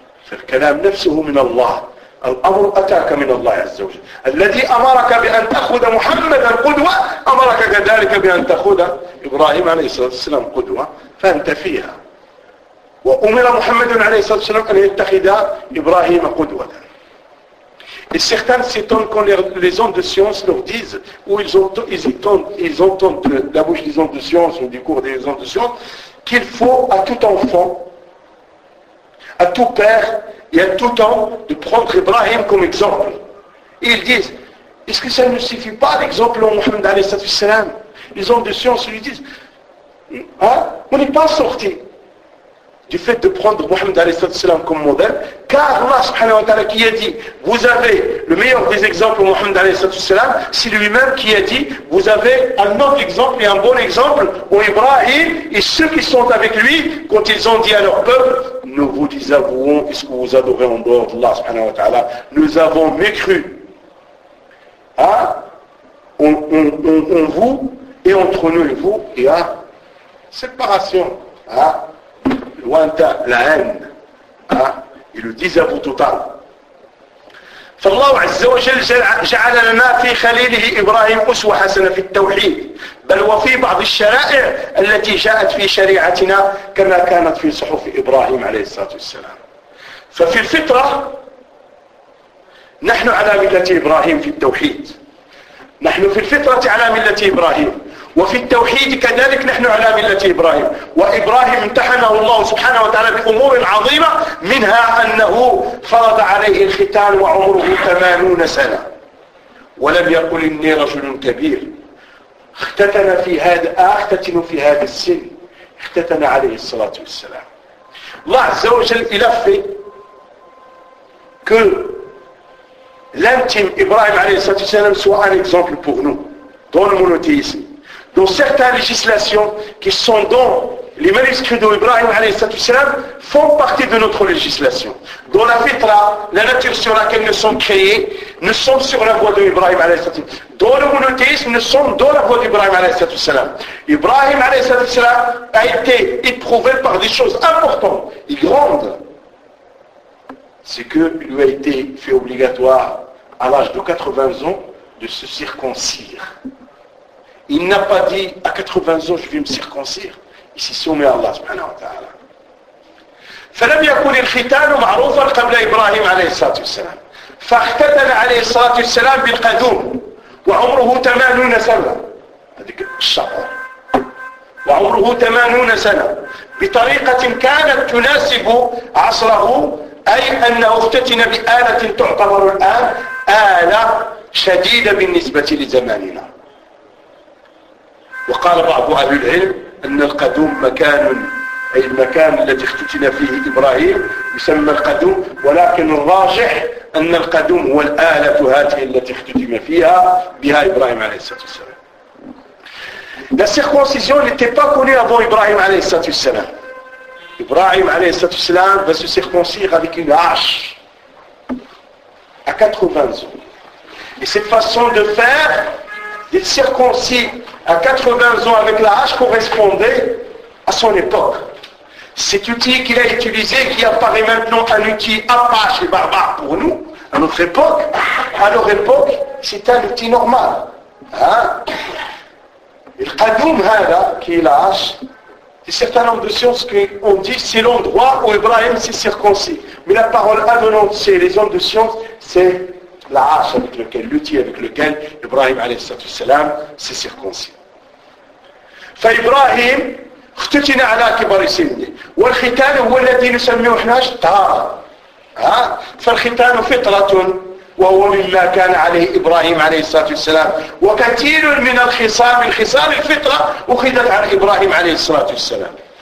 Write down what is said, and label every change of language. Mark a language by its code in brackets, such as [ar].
[ar] فالكلام نفسه من الله. الأمر أتاك من الله عز وجل. الذي أمرك بأن تأخذ محمدا قدوة أمرك كذلك بأن تأخذ إبراهيم عليه الصلاة والسلام قدوة فأنت فيها. وأمر محمد عليه الصلاة والسلام أن يتخذ إبراهيم قدوة. [fr] Et certains s'étonnent quand les hommes de science leur disent, ou ils entendent de la bouche des hommes de science ou du cours des hommes de science, qu'il faut à tout enfant, à tout père, il y a tout temps de prendre Ibrahim comme exemple. Et ils disent, est-ce que ça ne suffit pas l'exemple de Mohammed alayhi salatu wassalam? Les hommes de science lui disent, hein, on n'est pas sorti du fait de prendre Mohammed alayhi salatu wassalam comme modèle, car Allah subhanahu wa ta'ala qui a dit, vous avez le meilleur des exemples de Mohammed alayhi salatu wassalam, c'est lui-même qui a dit, vous avez un autre exemple et un bon exemple au Ibrahim et ceux qui sont avec lui, quand ils ont dit à leur peuple, nous vous désavouons, est-ce que vous adorez en dehors d'Allah subhanahu wa ta'ala, nous avons mécru, hein, on vous et entre nous et vous, et à séparation, hein, loin de la haine, hein, et le désavou total. [ar] فالله عز وجل جعل لنا في خليله إبراهيم أسوة حسنة في التوحيد بل وفي بعض الشرائع التي جاءت في شريعتنا كما كانت في صحف إبراهيم عليه الصلاة والسلام. ففي الفطرة نحن على ملة إبراهيم في التوحيد. نحن في الفطرة على ملة إبراهيم وفي التوحيد كذلك نحن على ملة إبراهيم. وإبراهيم امتحنه الله سبحانه وتعالى بأمور عظيمة منها أنه فرض عليه الختان وعمره 80 سنة ولم يقل إني رجل كبير. اختتن في هذا السن اختتن عليه الصلاة والسلام. الله عز وجل إلفي كل لنتم إبراهيم عليه الصلاة والسلام سواء اكزامبل بوغ نو دون المونوتيزم. [fr] Dans certaines législations qui sont dans les manuscrits d'Ibrahim a.s. font partie de notre législation. Dans la fitra, la nature sur laquelle nous sommes créés, nous sommes sur la voie d'Ibrahim a.s. Dans le monothéisme, nous sommes dans la voie d'Ibrahim a.s. Ibrahim a.s. a été éprouvé par des choses importantes et grandes. C'est qu'il lui a été fait obligatoire à l'âge de 80 ans de se circoncire. Il n'a pas dit à 80 ans je vais me circoncire. Il s'est soumis à Allah subhanahu wa ta'ala. [ar] فلم يكن الختان معروفا قبل إبراهيم عليه الصلاة والسلام. فاختتن عليه الصلاة والسلام بالقدوم وعمره 80 سنة. هذيك الشعر. وعمره 80 سنة بطريقة كانت تناسب عصره أي أنه اختتن بآلة تعتبر الآن آلة شديدة بالنسبة لزماننا. وقال بعض أهل العلم أن القدوم مكان أي المكان الذي اختتن فيه إبراهيم يسمى القدوم ولكن الراجح أن القدوم هو الآلة هذه التي اختتن فيها بها إبراهيم عليه الصلاة والسلام. [fr] La circoncision n'était pas connue avant Ibrahim alayhi salatu wassalam. Ibrahim alayhi salatu wassalam va se circoncire avec une hache à 80 ans. Et cette façon de faire, il circoncis à 80 ans avec la hache correspondait à son époque. Cet outil qu'il a utilisé, qui apparaît maintenant un outil à part chez barbares pour nous, à leur époque, c'est un outil normal. Hein? [ar] القدوم هذا كي لاش في [fr] certain nombre de sciences qui ont dit c'est l'endroit où Ibrahim s'est circoncis mais la parole avenante chez les hommes de science c'est la hache avec lequel l'outil avec lequel Ibrahim [ar] عليه الصلاة والسلام [fr] s'est circoncis. [ar] فإبراهيم اختتن على كبر سنه والختان هو الذي نسميه احنا الطهارة ها فالختان فطرة وهو مما كان عليه إبراهيم عليه الصلاة والسلام وكثير من الخصام الخصام الفطرة أخذت عن إبراهيم عليه الصلاة والسلام.